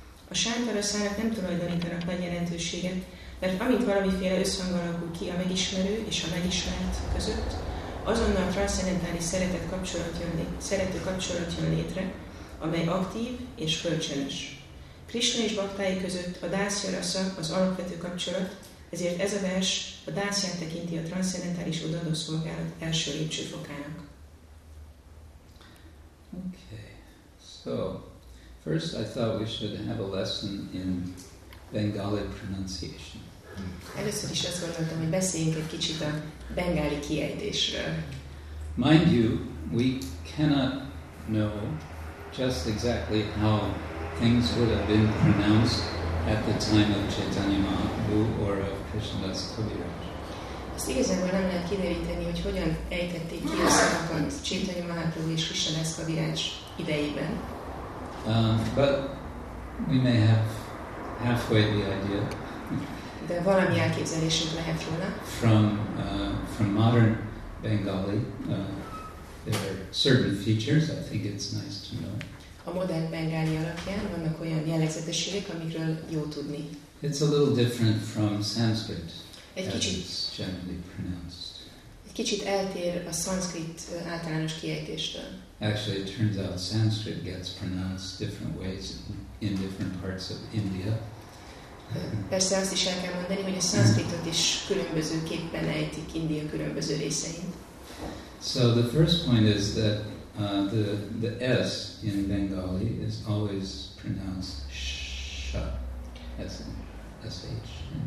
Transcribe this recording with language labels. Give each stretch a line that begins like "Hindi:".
Hungarian: A sántaraszának nem tulajdonítanak nagy jelentőséget, mert amint valamiféle összhang alakul ki a megismerő és a megismert között, azonnal transzcendentális szeretet kapcsolat jön létre, szerető kapcsolat jön létre, amely aktív és kölcsönös. Krisna és baktái között a dászja rasza az alapvető kapcsolat, ezért ez a vers a dászját tekinti a transzcendentális odaadó szolgálat első lépcsőfokának.
English: Okay, so first I thought we should have a lesson in Bengali pronunciation.
Hungarian: Először is azt gondoltam, hogy beszéljünk egy kicsit a bengáli kiejtésről.
English: Mind you, we cannot know just exactly how things would have been pronounced at the time of Chaitanya Mahaprabhu or of Krishnadas Kaviraj.
Hungarian: Azt igazából nem lehet kideríteni, hogy hogyan ejtették ki a szavakat Chaitanya Mahaprabhu és Krishnadas Kaviraj idejében.
English: But we may have halfway the idea.
Hungarian: De valami elképzelésünk lehet róla.
English: From modern Bengali, there are certain features. I think it's nice to know.
Hungarian: A modern bengáli alakján vannak olyan jellegzetességek, amikről jó tudni.
English: It's a little different from Sanskrit.
Hungarian: Egy kicsit.
English: As it's generally pronounced.
Hungarian: Egy kicsit eltér a szanszkrit általános kiejtéstől.
English: Actually, it turns out Sanskrit gets pronounced different ways in different parts of India.
Hungarian: Persze azt is el kell mondani, hogy a szanszkritot is különbözőképpen ejtik India különböző részein.
English: So the first point is that the S in Bengali is always pronounced sh, as in sh.